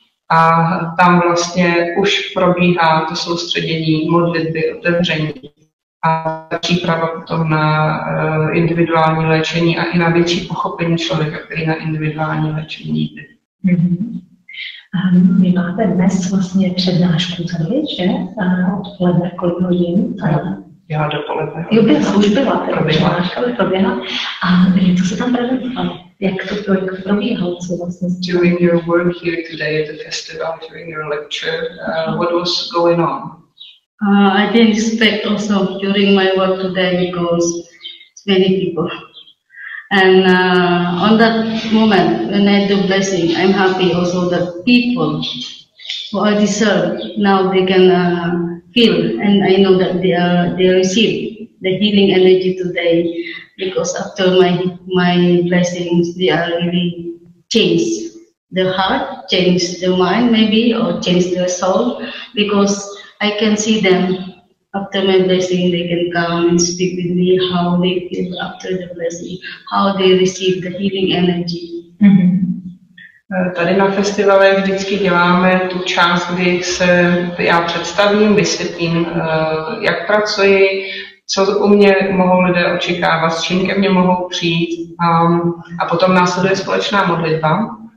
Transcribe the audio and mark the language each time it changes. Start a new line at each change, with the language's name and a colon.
Czech: A tam vlastně už probíhá to soustředění modlitby, otevření a příprava potom na individuální léčení a i na větší pochopení člověka, který na individuální léčení jde. Mm-hmm. Vy máte dnes vlastně přednášku tady, že? Odpoledne kolik hodin? Já dopoledne. Jo, byla, už byla přednáška, by proběhla. A co se tam prezentovalo? Jak to probíhalo, co vlastně se dělalo?
English: During your work here today at the festival, during your lecture, what was going on? I didn't expect also during my work today because it's many people. And on that moment when I do blessing, I'm happy also that people who I deserve now they can feel and I know that they receive the healing energy today because after my blessings they are really changed. The heart changed the mind maybe or changed the soul because I can see them after my blessing, they can come and speak with me how they feel after the blessing, how they receive the healing energy. Mm-hmm.
Czech: Tady na festivale vždycky děláme tu část, kdy se já představím, vysvětlím, jak pracuji, co u mě mohou lidé očekávat, s čím ke mně mohou přijít a potom následuje společná modlitba.